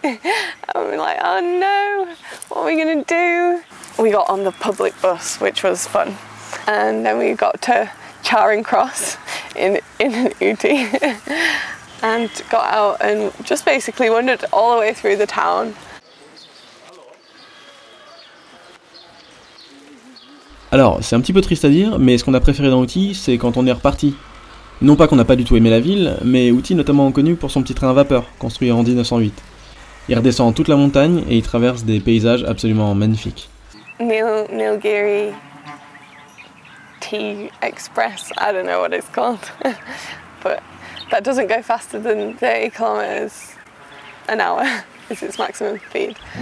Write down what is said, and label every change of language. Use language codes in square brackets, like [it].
[en] And we're like, oh no, what are we gonna do? We got on the public bus, which was fun. And then we got to Charing Cross in Uti. And got out and just basically wandered all the way through the town. [fr] Alors, c'est un petit peu triste à dire, mais ce qu'on a préféré dans Uti, c'est quand on est reparti. Non pas qu'on n'a pas du tout aimé la ville, mais Uti est notamment connu pour son petit train à vapeur, construit en 1908. Il redescend toute la montagne et il traverse des paysages absolument magnifiques. [en] Nilgiri Tea Express, I don't know what it's called. But that doesn't go faster than 30 kilometers an hour, is its maximum speed.